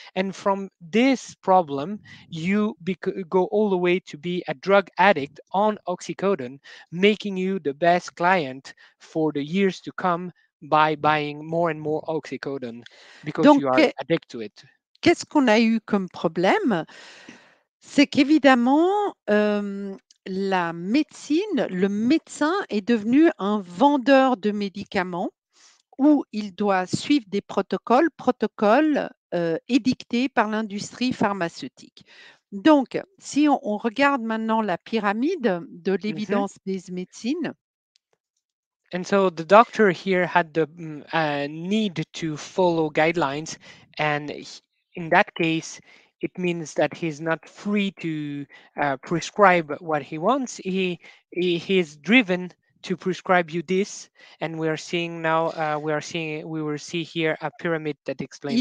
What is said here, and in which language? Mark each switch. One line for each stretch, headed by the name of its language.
English: And from this problem, you go all the way to be a drug addict on oxycodone, making you the best client for the years to come by buying more and more oxycodone because
French: Donc,
English: you are addicted to it.
French: Qu'est-ce qu'on a eu comme problème? C'est qu'évidemment, la médecine, le médecin est devenu un vendeur de médicaments où il doit suivre des protocoles édictés par l'industrie pharmaceutique. Donc, si on regarde maintenant la pyramide de l'évidence des médecines,
English: and so the doctor here had the need to follow guidelines, and in that case, it means that he's not free to prescribe what he wants. He is driven to prescribe you this, and we are seeing now we will see here a pyramid that explains